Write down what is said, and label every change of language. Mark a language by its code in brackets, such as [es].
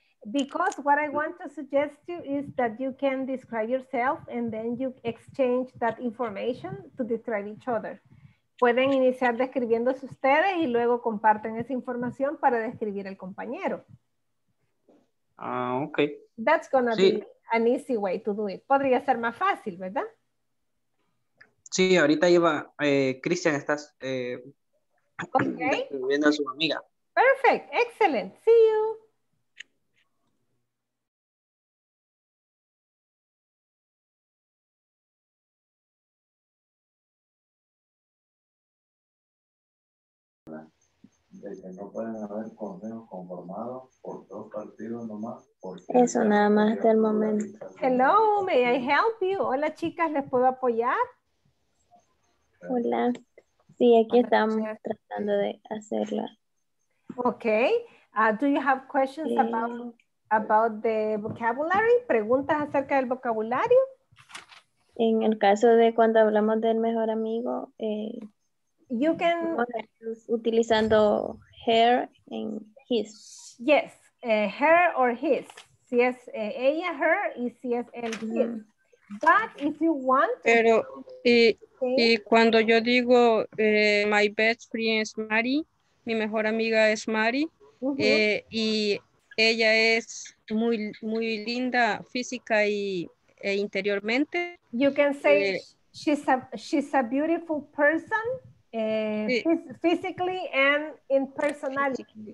[en] Because what I want to suggest to you is that you can describe yourself and then you exchange that information to describe each other. [es] Pueden iniciar describiéndose ustedes y luego comparten esa información para describir el compañero. [en] Okay. That's gonna be an easy way to do it. [es] Podría ser más fácil, ¿verdad? Sí, ahorita lleva, Cristian, estás describiendo a su amiga. [en] Perfect, excellent, see you. [es] De que no pueden haber consejos conformados por dos partidos nomás. Eso nada más hasta el momento. [en] Hello, may I help you? [es] Hola chicas, ¿les puedo apoyar? Hola, sí, aquí estamos tratando de hacerla. [en] Ok, do you have questions about the vocabulary? [es] ¿Preguntas acerca del vocabulario? En el caso de cuando hablamos del mejor amigo, [en] you can [es] utilizando her and his. [en] Yes, her or his. [es] Si es ella, her, y si es él, his. [en] But if you want... [es] Pero, y cuando yo digo [en] my best friend is Mari, [es] mi mejor amiga es Mari, y ella es muy, muy linda física y, e interiormente. [en] You can say she's a beautiful person, physically and in personality.